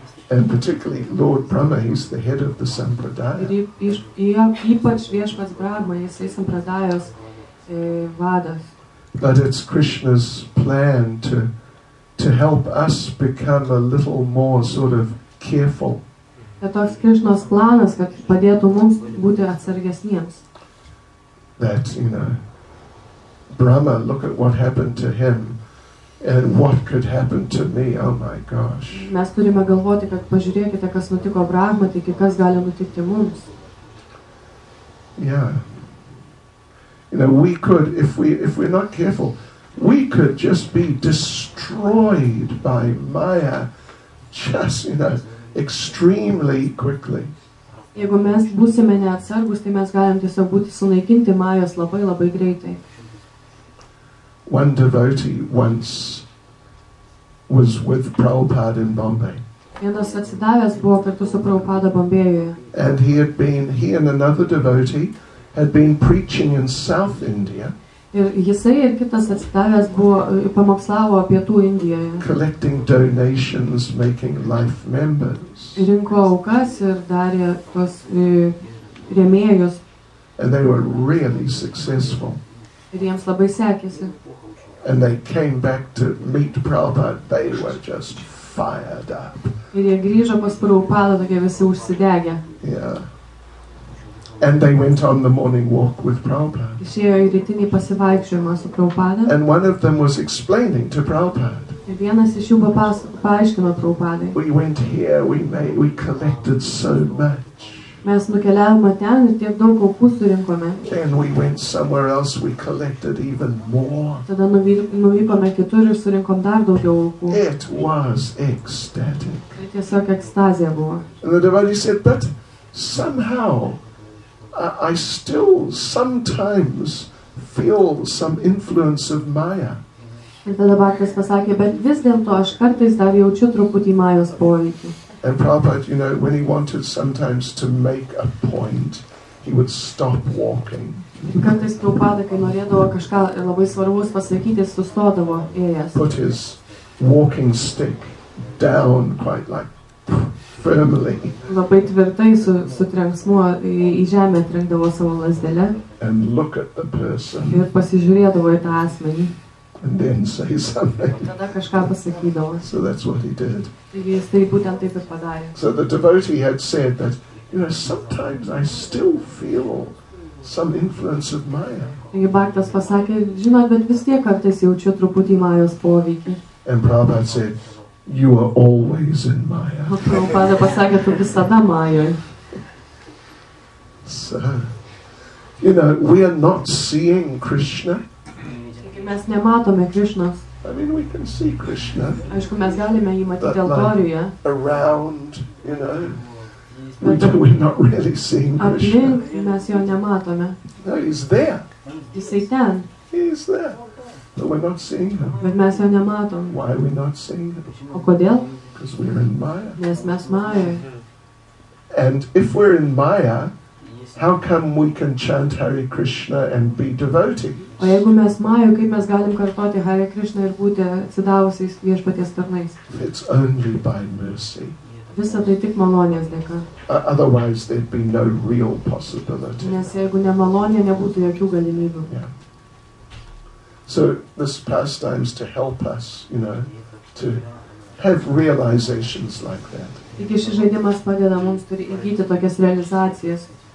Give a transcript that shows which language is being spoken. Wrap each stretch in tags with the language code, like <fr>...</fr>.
<en>And particularly Lord Brahma, he's the head of the Sampradaya.</en> <lt>Ypač viešpats Brahma, jisai Sampradajos vadas.</lt> <en>But it's Krishna's plan to help us become a little more sort of careful.</en> <lt>Bet toks Krishnos planas, kad padėtų mums būti atsargesniems.</lt> <en>That, you know, Brahma, look at what happened to him. And what could happen to me? Oh my gosh.</en> <lt>Mes turime galvoti, kad pažiūrėkite, kas nutiko Brahma, taigi kas gali nutikti mums.</lt> <en>Yeah. You know, we could, if we're not careful, we could just be destroyed by Maya just, you know, extremely quickly.</en> <lt>Jeigu mes būsime neatsargus, tai mes galim tiesiog būti sunaikinti Majos labai labai greitai.</lt> <en>One devotee once was with Prabhupada in Bombay.</en> <lt>Vienas atsidavęs buvo kartu su Prabhupada Bombėjoje.</lt> <en>And he and another devotee had been preaching in South India.</en> <lt>Ir jisai ir kitas atsidavęs buvo pamokslavo pietų Indijoje.</lt> <en>Collecting donations, making life members.</en> <lt>Rinko aukas ir darė tos rėmėjus.</lt> <en>And they were really successful.</en> <lt>Ir jiems labai sekėsi.</lt> <en>And they came back to meet Prabhupada, they were just fired up.</en> <lt>Ir jie grįžo pas Prabhupada, tokie visi užsidegę.</lt> <en>Yeah. And they went on the morning walk with Prabhupada.</en> <lt>Išėjo į rytinį pasivaikščiojimą su Prabhupada.</lt> <en>And one of them was explaining to Prabhupada.</en> <lt>Ir vienas iš jų paaiškino Prabhupadai.</lt> <en>We went here, we collected so much.</en> <lt>Mes nukeliavome ten ir tiek daug aukų surinkome.</lt> <en>Then we went somewhere else, we collected even more.</en> <lt>Tada nuvykome kitur ir surinkom dar daugiau aukų.</lt> <en>It was ecstatic.</en> <lt>Tai tiesiog ekstazija buvo.</lt> <en>And the devotee said, but somehow I still sometimes feel some influence of Maya.</en> <lt>Ir tada Bhaktas pasakė, bet vis dėlto aš kartais dar jaučiu truputį Majos poveikį.</lt> <en>And Prabhupada, you know, when he wanted sometimes to make a point, he would stop walking.</en> <lt>Kartais Prabhupada, kai norėdavo kažką labai svarbus pasakyti, sustodavo ėjęs.</lt> <en>Put his walking stick down quite like firmly.</en> <lt>Labai tvirtai su trenksmu į žemę trenkdavo savo lazdelę.</lt> <en>And look at the person.</en> <lt>Ir pasižiūrėdavo į tą asmenį.</lt> <en>And then say something.</en> <lt>Tada kažką pasakydavo.</lt> <en>So that's what he did.</en> <lt>Jis tai būtent taip ir padarė.</lt> <en>So the devotee had said that, you know, sometimes I still feel some influence of Maya.</en> <lt>Ir Bhaktas pasakė, žinot, bet vis tiek kartais jaučiu truputį Majos poveikį.</lt> <en>And Prabhupada said, you are always in Maya.</en> <lt>Prabhupada pasakė, tu visada Majoj.</lt> <en>So, you know, we are not seeing Krishna.</en> <lt>Mes nematome Krishnos.</lt> <en>I mean, we can see Krishna.</en> <lt>Aišku, mes galime jį matyti altoriuje.</lt> <en>Around, you know, we're not really seeing Krishna.</en> <lt>Aplink mes jo nematome.</lt> <en>No, he's there.</en> <lt>Jisai ten.</lt> <en>He's there. But we're not seeing him.</en> <lt>Bet mes jo nematome.</lt> <en>Why are we not seeing him?</en> <lt>O kodėl?</lt> <en>Because we're in Maya.</en> <lt>Nes mes Maya.</lt> <en>And if we're in Maya, how come we can chant Hare Krishna and be devotees?</en> <lt>O jeigu mes Maya, kaip mes galim kartoti Hare Krishna ir būti atsidavusiais viešpaties tarnais?</lt> <en>It's only by mercy.</en> <lt>Visa tai tik malonės dėka.</lt> <en>Otherwise there'd be no real possibility.</en> <lt>Nes jeigu ne malonė, nebūtų jokių galimybių.</lt> <en>Yeah. So this pastime is to help us, you know, to have realizations like that.</en> <lt>Taigi šis žaidimas padeda mums turi įgyti tokias realizacijas.</lt>